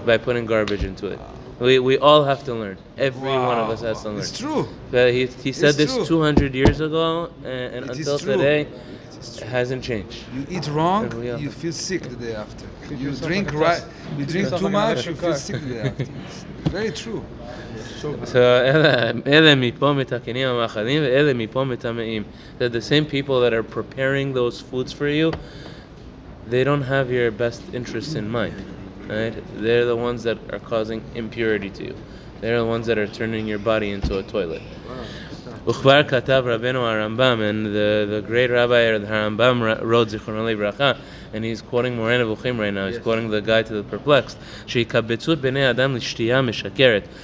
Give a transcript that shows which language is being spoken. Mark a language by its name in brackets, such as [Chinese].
[English] By putting garbage into it. We all have to learn. Every one of us has to learn. It's true. But he said this 200 years ago, and until today, it hasn't changed. You eat wrong, you feel sick the day after. You drink right, you drink too much, you feel sick the day after. Very true. [Hebrew] So אלה מפה מתקנים המאכלים ואלה מפה מתמאים. [English] That the same people that are preparing those foods for you, they don't have your best interests in mind. Right? They're the ones that are causing impurity to you. They're the ones that are turning your body into a toilet. [Hebrew] וכבר כתב רבנו הרמב״ם, [English] and the great rabbi הרמב״ם wrote [Hebrew] זיכרונו לברכה, [English] and he's quoting מורה נבוכים right now, he's quoting the guy to the perplexed, [Hebrew] שיקבצו בני אדם לשתייה משקרת.